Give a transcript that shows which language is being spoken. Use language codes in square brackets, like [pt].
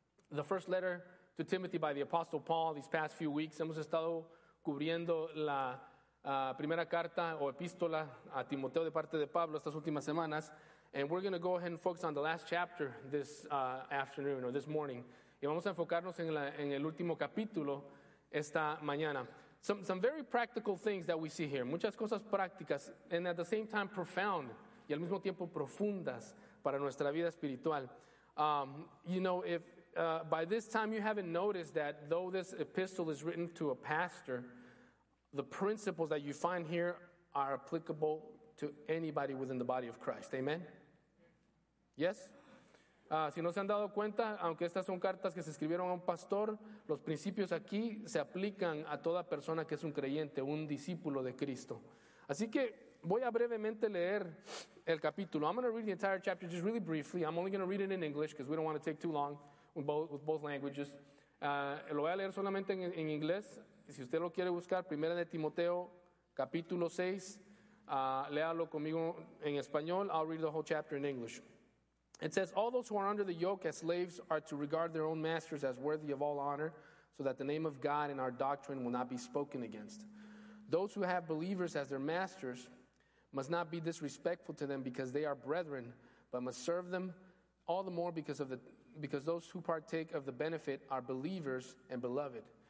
[en] the first letter to Timothy by the Apostle Paul these past few weeks. [es] Hemos estado cubriendo la primera carta o epístola a Timoteo de parte de Pablo estas últimas semanas. [en] And we're going to go ahead and focus on the last chapter this afternoon or this morning. [es] Y vamos a enfocarnos en el último capítulo esta mañana. [en] Some very practical things that we see here. [es] Muchas cosas prácticas [en] and at the same time profound [es] y al mismo tiempo profundas para nuestra vida espiritual. [en] You know, if by this time you haven't noticed that though this epistle is written to a pastor, the principles that you find here are applicable to anybody within the body of Christ. Amen? Yes? [es] Si no se han dado cuenta, aunque estas son cartas que se escribieron a un pastor, los principios aquí se aplican a toda persona que es un creyente, un discípulo de Cristo. Así que voy a brevemente leer el capítulo. [en] I'm going to read the entire chapter just really briefly. I'm only going to read it in English because we don't want to take too long with both languages. [es] Lo voy a leer solamente en inglés. Si usted lo quiere buscar, Primera de Timoteo, capítulo 6. Léalo conmigo en español. [en] I'll read the whole chapter in English. It says, all those who are under the yoke as slaves are to regard their own masters as worthy of all honor, so that the name of God and our doctrine will not be spoken against. Those who have believers as their masters must not be disrespectful to them because they are brethren, but must serve them all the more because those who partake of the benefit are believers and beloved.